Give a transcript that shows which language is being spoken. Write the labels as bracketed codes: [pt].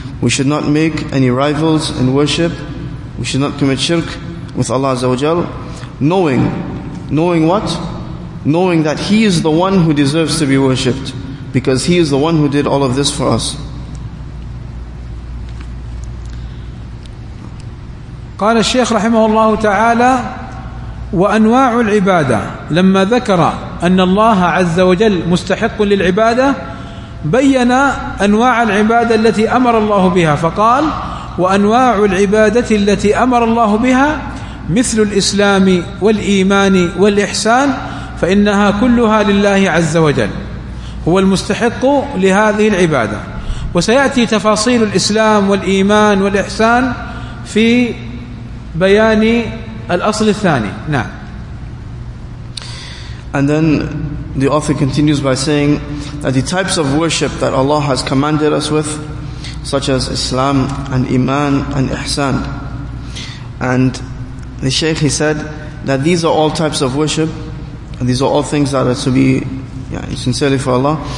[en] We should not make any rivals in worship. We should not commit shirk with Allah Azza wa Jal. Knowing what? Knowing that he is the one who deserves to be worshipped. Because he is the one who did all of this for us. [ar] قال الشيخ رحمه الله تعالى وأنواع العبادة لما ذكر أن الله عز وجل مستحق للعبادة بيّن أنواع العبادة التي أمر الله بها فقال وأنواع العبادة التي أمر الله بها مثل الإسلام والإيمان والإحسان فإنها كلها لله عز وجل هو المستحق لهذه العبادة. وسيأتي تفاصيل الإسلام والإيمان والإحسان في بيان الأصل الثاني نعم. [en] And then the author continues by saying that the types of worship that Allah has commanded us with, such as Islam and Iman and Ihsan. And the Shaykh, he said that these are all types of worship, and these are all things that are to be sincerely for Allah.